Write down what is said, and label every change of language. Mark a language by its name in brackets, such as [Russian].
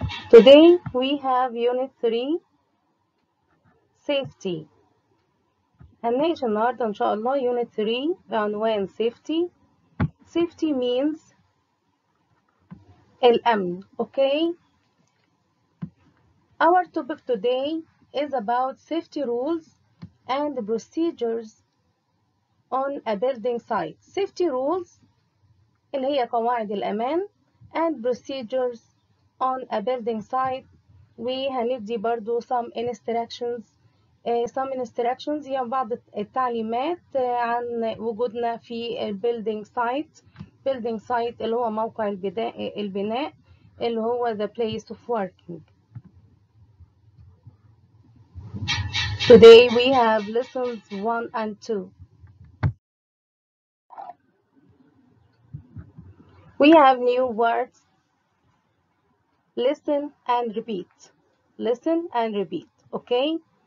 [English] Today we have unit 3 safety. [Arabic] هنناقش النهاردة إن شاء الله unit 3 بعنوان safety. [English] safety means [Arabic] الأمن. [English] okay, our topic today is about safety rules and procedures on a building site. safety rules [Arabic] اللي هي قواعد الأمان [English] and procedures on a building site. [Arabic] وهندي برضو [English] some instructions. Some instructions [Arabic] هي بعض التعليمات عن وجودنا في البيلدينج سايت. بيلدينج سايت اللي هو موقع البناء اللي هو [English] the place of working. Today we have lessons 1 and 2. We have new words. Listen and repeat. Listen and repeat. Okay?